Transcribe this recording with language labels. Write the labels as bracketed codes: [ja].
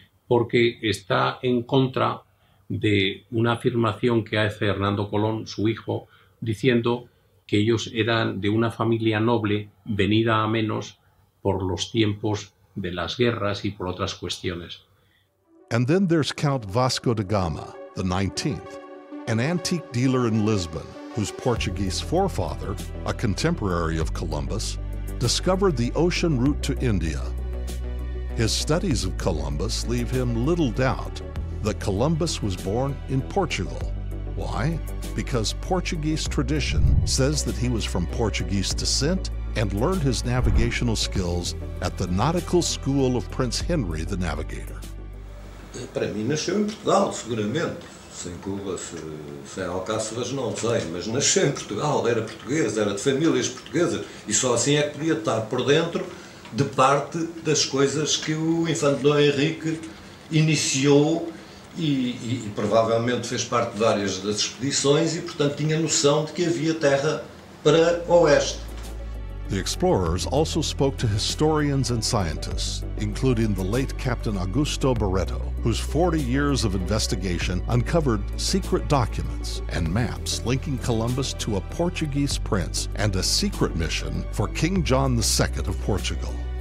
[es] porque está en contra de una afirmación que hace Hernando Colón, su hijo, diciendo que ellos eran de una familia noble venida a menos por los tiempos de las guerras y por otras cuestiones. [en] And then there's Count Vasco da Gama, the 19th, an antique dealer in Lisbon, whose Portuguese forefather, a contemporary of Columbus, discovered the ocean route to India. His studies of Columbus leave him little doubt that Columbus was born in Portugal. Why? Because Portuguese tradition says that he was from Portuguese descent and learned his navigational skills at the nautical school of Prince Henry the Navigator. [pt] Para mim nasceu em Portugal, seguramente. Sem Cuba, sem Alcáceres, não sei, mas nasceu em Portugal, era português, era de famílias portuguesas, e só assim é que podia estar por dentro de parte das coisas que o infante Dom Henrique iniciou e provavelmente fez parte de várias das expedições e, portanto, tinha noção de que havia terra para oeste. [en] The explorers also spoke to historians and scientists, including the late Captain Augusto Barreto, whose 40 years of investigation uncovered secret documents and maps linking Columbus to a Portuguese prince and a secret mission for King John II of Portugal.